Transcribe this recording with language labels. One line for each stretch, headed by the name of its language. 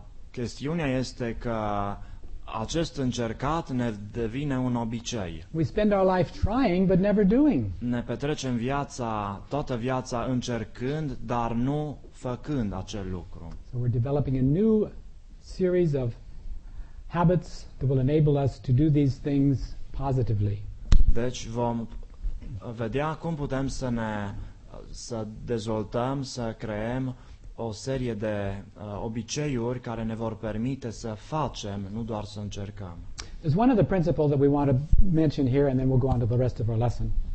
Romanian: Chestiunea este că acest încercat ne devine un obicei.
English: We spend our life trying but never doing.
Romanian: Ne petrecem viața, toată viața încercând, dar nu făcând acel lucru.
English: So we're developing a new series of habits that will enable us to do these things positively.
Romanian: Deci vom vedea cum putem să dezvoltăm, să creăm o serie de obiceiuri care ne vor permite să facem, nu doar să încercăm.
English: There's one of the principles that we want to mention here and then we'll go on to the rest of our lesson.